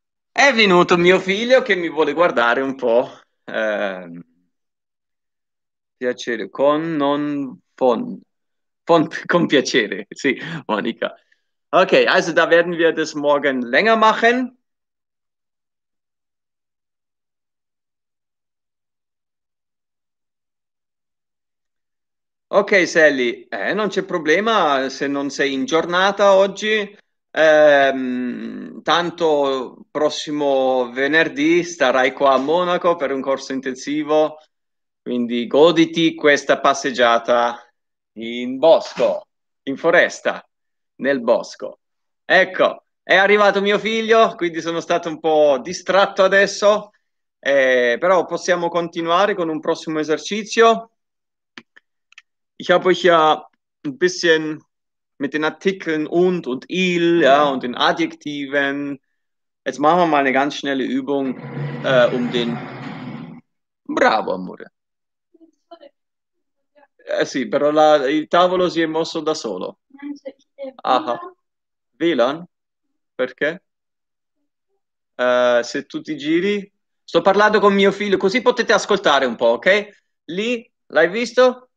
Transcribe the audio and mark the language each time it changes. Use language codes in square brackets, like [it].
[it] È venuto mio figlio che mi vuole guardare un po'. Piacere, con non font, con piacere, sì, Monica. [de] Ok, also da werden wir das morgen länger machen. [it] Ok, Sally, non c'è problema se non sei in giornata oggi. Tanto prossimo venerdì starai qua a Monaco per un corso intensivo, quindi goditi questa passeggiata in bosco, in foresta, nel bosco. Ecco, è arrivato mio figlio, quindi sono stato un po' distratto adesso, però possiamo continuare con un prossimo esercizio. [de] Ich habe euch ja ein bisschen mit den Artikeln und il, ja, und den Adjektiven. Jetzt machen wir mal eine ganz schnelle Übung um den... [it] Bravo, amore. Sì, però il tavolo si è mosso da solo. Aha. WLAN? Perché? Se tu ti giri... Sto parlando con mio figlio, così potete ascoltare un po', ok? Lì, l'hai visto?